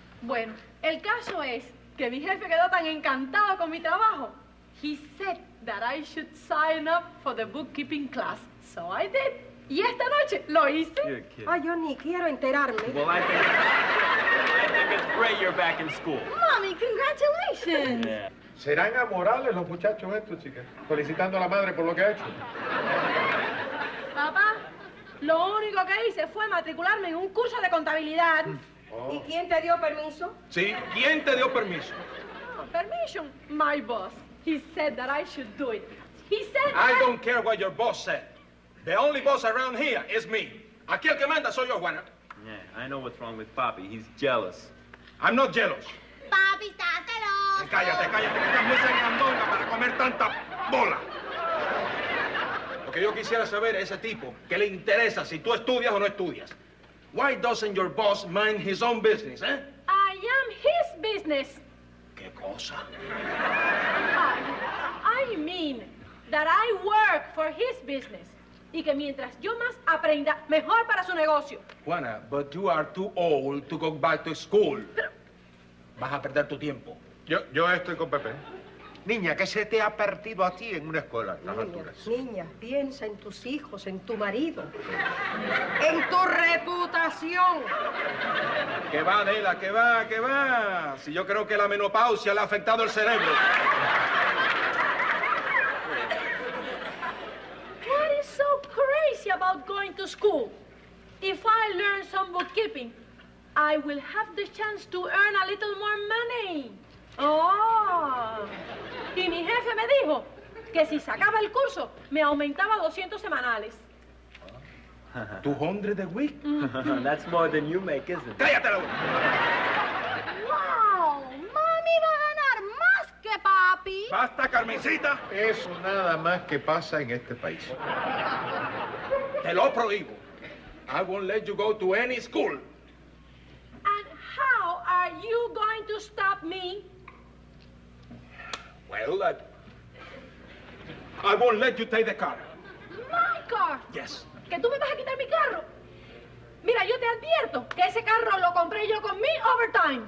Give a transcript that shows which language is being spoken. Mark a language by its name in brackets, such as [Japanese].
[Spanish] Bueno, el caso es que mi jefe quedó tan encantado con mi trabajo. [English] He said that I should sign up for the bookkeeping class. So I did. [Spanish] Y esta noche lo hice. [English] You're a kid. [Spanish] Ay, yo ni quiero enterarme. [English] Well, I think it's great you're back in school. Mommy, congratulations. Yeah. [Spanish] ¿Serán amorales los muchachos estos, chicas? Felicitando a la madre por lo que ha hecho. Papá, lo único que hice fue matricularme en un curso de contabilidad. Oh. ¿Y quién te dio permiso? Sí, ¿quién te dio permiso? [English] Oh, permission? My boss. He said that I should do it. He said I don't care what your boss said. The only boss around here is me. [Spanish] Aquí el que manda soy yo, Juana. [English] Yeah, I know what's wrong with Papi. He's jealous. I'm not jealous. [Spanish] Papi está celoso. Cállate, cállate. Estás muy sangrandona para comer tanta bola. Lo que yo quisiera saber es ese tipo, ¿qué le interesa si tú estudias o no estudias? [English] Why doesn't your boss mind his own business, eh? I am his business. [Spanish] ¿Qué cosa? [English] I mean that I work for his business. [Spanish] Y que mientras yo más aprenda, mejor para su negocio. [English] Juana, but you are too old to go back to school. [Spanish] Vas a perder tu tiempo. Yo estoy con Pepe. Niña, ¿qué se te ha perdido a ti en una escuela? Niña, piensa en tus hijos, en tu marido, en tu reputación. ¿Qué va, Adela? ¿Qué va? ¿Qué va? Si yo creo que la menopausia le ha afectado el cerebro. [English] What is so crazy about going to school? If I learn some bookkeeping, I will have the chance to earn a little more money. [Spanish] Oh, y mi jefe me dijo que si sacaba el curso, me aumentaba 200 semanales. [English] 200 a week? That's more than you make, isn't it? [Spanish] ¡Cállate la ¡Wow! ¡Mami va a ganar más que papi! ¡Basta, Carmencita! Eso nada más que pasa en este país. Te lo prohíbo. [English] I won't let you go to any school. And how are you going to stop me? Well, I won't let you take the car. My car? Yes. [Spanish] ¿Que tú me vas a quitar mi carro? Mira, yo te advierto que ese carro lo compré yo con mi overtime.